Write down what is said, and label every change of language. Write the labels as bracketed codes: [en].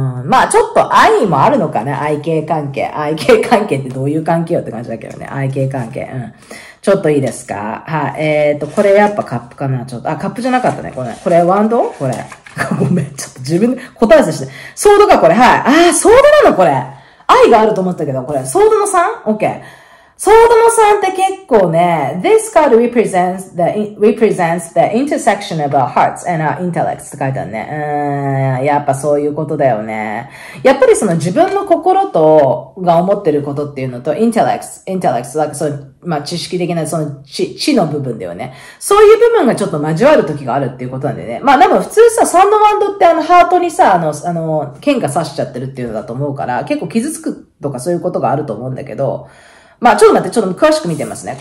[ja] まあちょっと愛もあるのかね。愛系関係。愛系関係ってどういう関係よって感じだけどね。愛系関係。うん。ちょっといいですか？はい。これやっぱカップかな？ちょっと。あ、カップじゃなかったね。これ。これワンド？これ。ごめん。ちょっと自分、答えさせて。ソードか、これ。はい。あー、ソードなのこれ。愛があると思ったけど、これ。ソードの 3？ オッケー。ソードの3って結構ね、 [en] This card represents the intersection of our hearts and our intellects [ja] って書いてあるね。やっぱそういうことだよね。やっぱりその自分の心と、が思ってることっていうのと、intellects、なんかその、まあ、知識的な、その知の部分だよね。そういう部分がちょっと交わる時があるっていうことなんだよね。まあ、でも普通さ、サンドワンドってハートにさ、喧嘩さしちゃってるっていうのだと思うから、結構傷つくとかそういうことがあると思うんだけど、まあ、ちょっと待って、ちょっと詳しく見てますね。